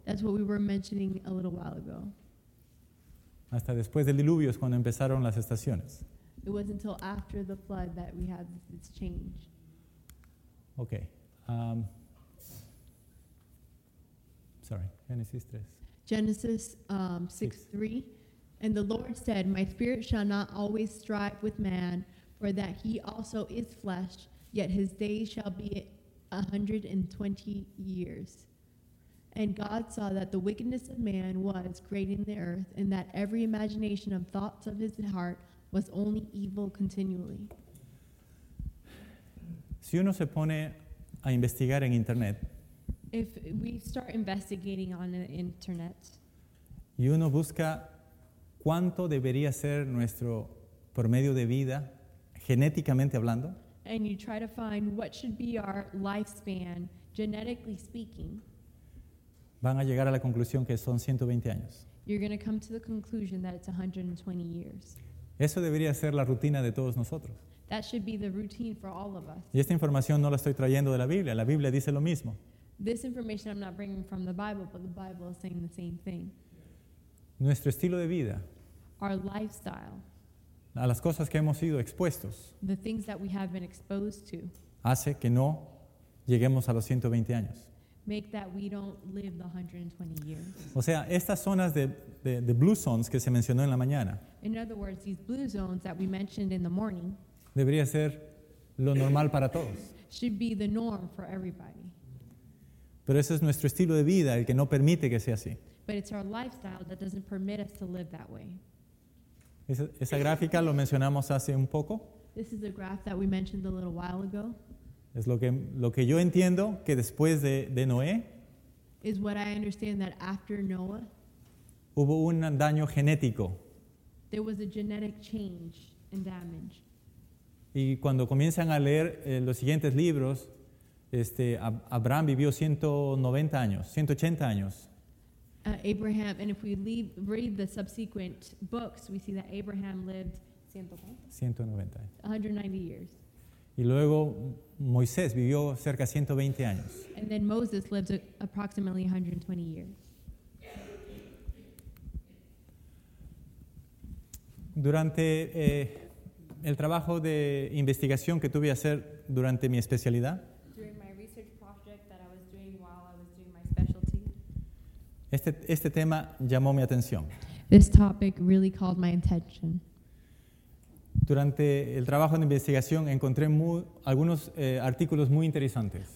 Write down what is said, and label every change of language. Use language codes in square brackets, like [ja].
[en] That's what we were mentioning a little while ago. [es] Hasta después del diluvio es cuando empezaron las estaciones. [en] It wasn't until after the flood that we had this change. Okay. Genesis 3. Genesis 6:3. And the Lord said, my spirit shall not always strive with man, for that he also is flesh, yet his days shall be 120 years. And God saw that the wickedness of man was great in the earth, and that every imagination of thoughts of his heart was only evil continually. [es] Si uno se pone a investigar en internet, [en] if we start investigating on the internet, [es] y uno busca cuánto debería ser nuestro promedio de vida, genéticamente hablando, [en] and you try to find what should be our lifespan, genetically speaking, [es] van a llegar a la conclusión que son 120 años. [en] You're going to come to the conclusion that it's 120 years. [es] Eso debería ser la rutina de todos nosotros. [en] That should be the routine for all of us. [es] Y esta información no la estoy trayendo de la Biblia. La Biblia dice lo mismo. [en] This information I'm not bringing from the Bible, but the Bible is saying the same thing. [es] Nuestro estilo de vida. [en] Our lifestyle. [es] A las cosas que hemos sido expuestos. [en] The things that we have been exposed to. [es] Hace que no lleguemos a los 120 años. [en] Make that we don't live the 120 years. [es] O sea, estas zonas de blue zones que se mencionó en la mañana. [en] In other words, these blue zones that we mentioned in the morning. [es] Debería ser lo normal para todos. [en] Should be the norm for everybody. [es] Pero ese es nuestro estilo de vida, el que no permite que sea así. [en] But it's our lifestyle that doesn't permit us to live that way. [es] Esa gráfica lo mencionamos hace un poco. [en] This is a graph that we mentioned a little while ago. [es] Es lo que yo entiendo que después de Noé. [en] Is what I understand that after Noah. [es] Hubo un daño genético. [en] There was a genetic change and damage. [es] Y cuando comienzan a leer los siguientes libros, Abraham vivió 190 años, 180 años. [en] Abraham, and if we read the subsequent books, we see that Abraham lived 190 years. [es] Y luego Moisés vivió cerca 120 años. [en] And then Moses lived approximately 120 years. [es] Durante el trabajo de investigación que tuve que hacer durante mi especialidad. [en] During my research project that I was doing while I was doing my specialty. [es] Este tema llamó mi atención. [en] This topic really called my attention. [es] Durante el trabajo de investigación encontré algunos artículos muy interesantes.